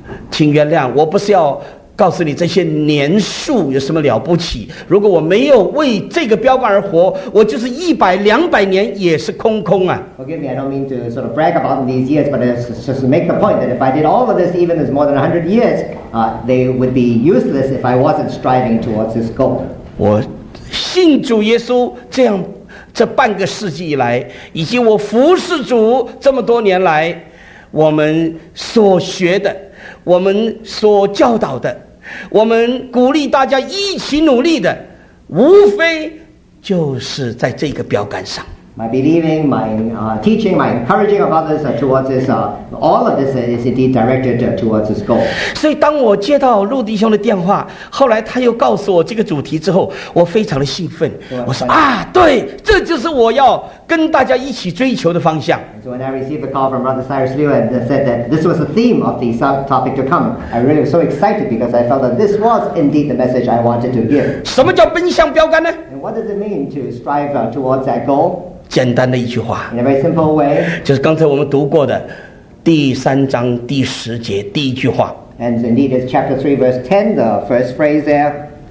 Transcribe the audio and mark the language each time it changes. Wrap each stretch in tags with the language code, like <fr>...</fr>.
<zh>请原谅，我不是要告诉你这些年数有什么了不起。如果我没有为这个标杆而活，我就是一百、两百年也是空空啊。</zh> <en>Forgive me, I don't mean to sort of brag about these years, but it's just to make the point that if I did all of this, even as more than 100 years, they would be useless if I wasn't striving towards this goal.</en> <zh>我信主耶稣这样这半个世纪以来，以及我服侍主这么多年来，我们所学的，我们所教导的，我们鼓励大家一起努力的，无非就是在这个标杆上。</zh> <en>My believing, my teaching, my encouraging of others towards this, all of this is indeed directed towards this goal.</en> <zh>所以当我接到陆弟兄的电话，后来他又告诉我这个主题之后，我非常的兴奋。我说啊，对，这就是我要跟大家一起追求的方向。</zh> <en>So when I received a call from Brother Cyrus Liu and said that this was the theme of the topic to come, I really was so excited because I felt that this was indeed the message I wanted to give.</en> <zh>什么叫奔向标杆呢？</zh> <en>And what does it mean to strive towards that goal?</en> <zh>简单的一句话</zh> <en>in a very simple way,</en> <zh>就是刚才我们读过的第三章第十节第一句话</zh> <en>and indeed it's chapter 3 verse 10 the first phrase there</en>